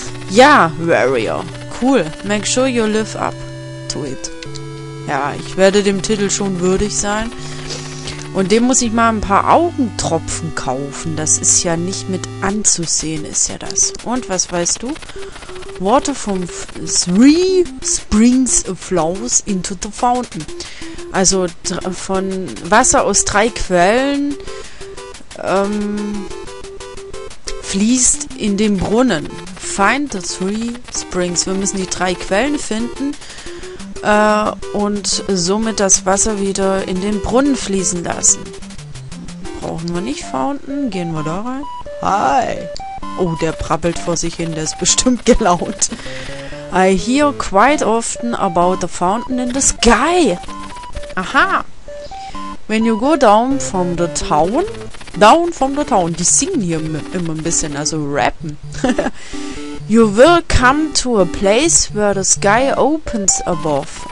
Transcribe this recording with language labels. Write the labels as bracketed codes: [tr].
[en] Ja, Warrior. Cool. Make sure you live up to it. [de] Ja, ich werde dem Titel schon würdig sein. Und dem muss ich mal ein paar Augentropfen kaufen. Das ist ja nicht mit anzusehen, ist ja das. Und was weißt du? [en] Water from three springs flows into the fountain. [de] Also von Wasser aus drei Quellen fließt in den Brunnen. [en] Find the three springs. [de] Wir müssen die drei Quellen finden. Und somit das Wasser wieder in den Brunnen fließen lassen. Brauchen wir nicht Fountain? Gehen wir da rein? Hi! Oh, der brabbelt vor sich hin, der ist bestimmt gelaunt. [en] I hear quite often about the fountain in the sky. Aha! When you go down from the town, [de] die singen hier immer ein bisschen, also rappen. [en] You will come to a place where the sky opens above.